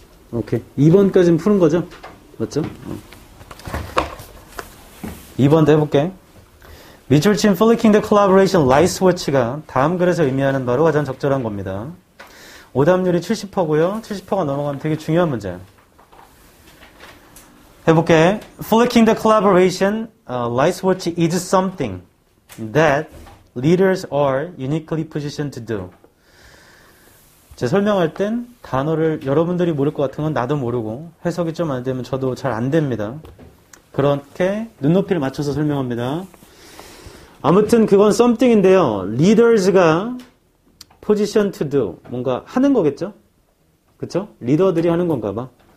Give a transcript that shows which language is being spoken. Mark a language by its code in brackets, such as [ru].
[ko] 오케이. 2번까지는 푸는 거죠? 맞죠? 2번도 해볼게. 미출 친 [en] Flicking the Collaboration Light Switch [ko] 가 다음 글에서 의미하는 바로 가장 적절한 겁니다. 오답률이 70%고요. 70%가 넘어가면 되게 중요한 문제예요. 해볼게. [en] Flicking the Collaboration Light Switch is something that leaders are uniquely positioned to do. [ko] 제가 설명할 땐 단어를 여러분들이 모를 것 같은 건 나도 모르고 해석이 좀 안 되면 저도 잘 안 됩니다. 그렇게 눈높이를 맞춰서 설명합니다. 아무튼 그건 something인데요. leaders가 [en] position to do, [ko] 뭔가 하는 거겠죠? 그렇죠? 리더들이 하는 건가 봐.